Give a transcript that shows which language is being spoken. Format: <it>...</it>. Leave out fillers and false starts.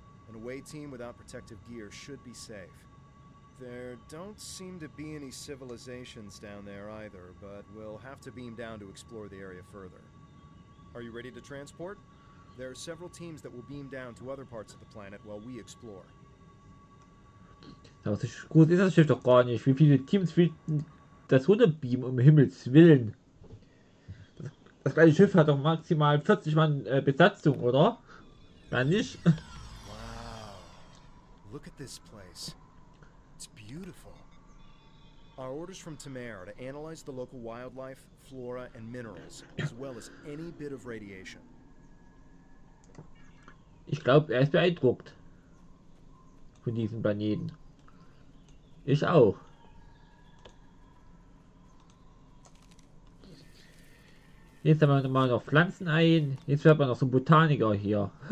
<en>An away team without protective gear should be safe. There don't seem to be any civilizations down there either, but we'll have to beam down to explore the area further. Are you ready to transport? There are several teams that will beam down to other parts of the planet while we explore.</en> <de>Das ist gut, ist das Schiff doch gar nicht. Wie viele Teams will das runterbeamen, um Himmels Willen? Das kleine Schiff hat doch maximal 40 Mann Besatzung, oder? Dann nicht. Wow.</de> <en>Look at this place. It's beautiful. Our orders from Tamer to analyze the local wildlife, flora and minerals, as well as any bit of radiation.</en> <de>Ich glaube, er ist beeindruckt von diesem Planeten. Ich auch. Jetzt haben wir mal noch Pflanzen ein. Jetzt wird man noch so ein Botaniker hier.</de>